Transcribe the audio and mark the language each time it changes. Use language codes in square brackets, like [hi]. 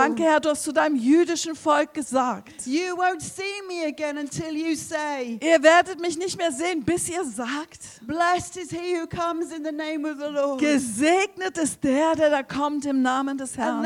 [de] Danke, Herr, du hast zu deinem jüdischen Volk gesagt. [en] You won't see me again until you say. [de] Ihr werdet mich nicht mehr sehen, bis ihr sagt. [en] Blessed is he who comes in the name of the Lord. [de] Gesegnet ist der, der da kommt im Namen des Herrn.